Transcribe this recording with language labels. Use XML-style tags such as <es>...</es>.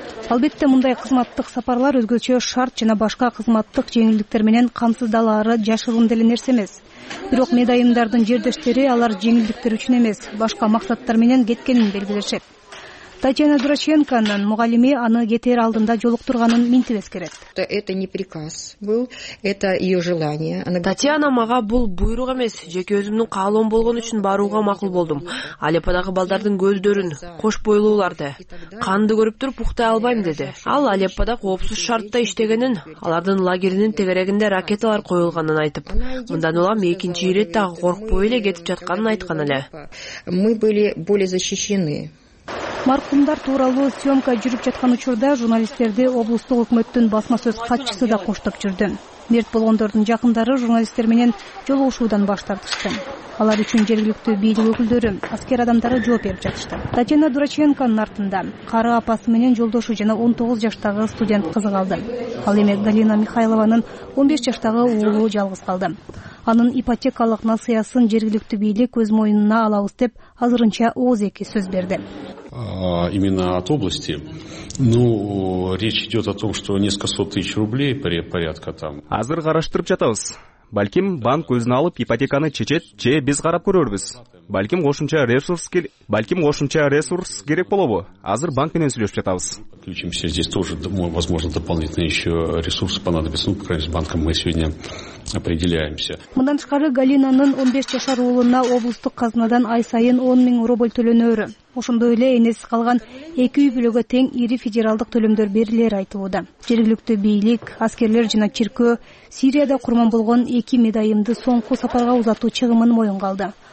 <ky>Албетте, мындай кызматтык сапарлар өзгөчө шарт жана башка кызматтык жеңилдиктер менен камсыздалары жашырын деле нерсе эмес. Бирок медайымдардын жердештери алар жеңилдиктер үчүн эмес, башка максаттар менен кеткенин белгилешет. Татьяна Дураченконун мугалими аны кетер алдында жолуктурганын минтип эскерет.</ky> <ru>Это не приказ был, это ее желание.</ru> <ky>Татьяна мага бул буйрук эмес, жеке өзүмдүн каалоом болгон үчүн барууга макул болдум. Алепподагы балдардын көздөрүн, кош бойлууларды, канды көрүп туруп уктай албайм деди. Ал Алеппода коопсуз шартта иштегенин, алардын лагеринин тегерегинде ракеталар коюлганын айтып, мындан улам экинчи ирет дагы коркпой эле кетип жатканын айткан эле.</ky> <ru>Мы были более защищены.</ru> <ky>Маркумдар тууралуу съемка жүрүп жаткан учурда журналисттерди облустук өкмөттүн басма сөз катчысы да коштоп жүрдү. Мерт болгондордун жакындары журналисттер менен жолугушуудан баш тартышты. Алар үчүн жергиликтүү бийлик өкүлдөрү, аскер адамдары жооп берип жатышты. Татьяна Дураченконун артында кары апасы менен жолдошу жана 19 жаштагы студент кызы калды. Ал эми Галина Михайлованын 15 жаштагы уулу жалгыз калды. Анын ипотекалык насыясын жергиликтүү бийлик өз мойнуна алабыз деп азырынча 12 сөз берди.</ky> <ru>Именно от области. Ну, речь идет о том, что несколько сот тысяч рублей порядка там.</ru> <ky>Азыр караштырып жатабыз. Балким банк өзүн алып ипотеканы чечет же биз карап көрөрбүз. балким кошумча ресурс керек болобу? Азыр банк менен сүйлөшүп жатабыз.</ky> <ru>Включимся здесь тоже, думаю, возможно, дополнительные еще ресурсы понадобятся. Ну, по крайней мере, с банком мы сегодня определяемся.</ru> <ky>Мындан тышкары Галинанын 15 жашар уулуна облустук казынадан ай сайын 10,000 рубль төлөнөр. Ошондой эле энеси калган 2 үй бүлөгө тең ири федералдык төлөмдөр берилери айтылууда. Жергиликтүү бийлик, аскерлер жана чиркөө Сирияда курман болгон 2 медайымды соңку сапарга узатуу чыгымын моюнга алды.</ky>